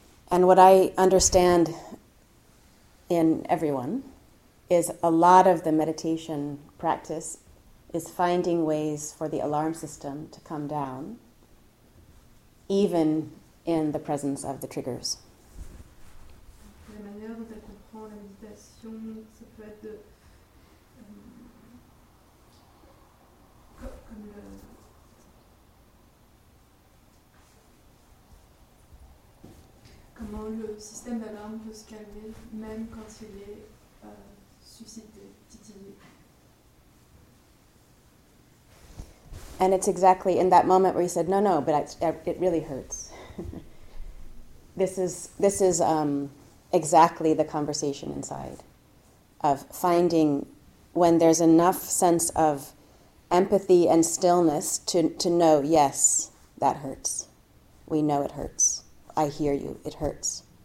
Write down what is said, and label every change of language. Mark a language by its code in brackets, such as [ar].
[en] And what I understand in everyone is a lot of the meditation practice is finding ways for the alarm system to come down, even in the presence of the triggers. [fr] La manière dont elle comprend la méditation, ça peut être de, comme le, comment le système d'alarme peut se calmer, même quand il est suscité, titillé. [en] And it's exactly in that moment where he said, no, no, but it really hurts. this is exactly the conversation inside of finding when there's enough sense of empathy and stillness to know, yes, that hurts. We know it hurts. I hear you. It hurts.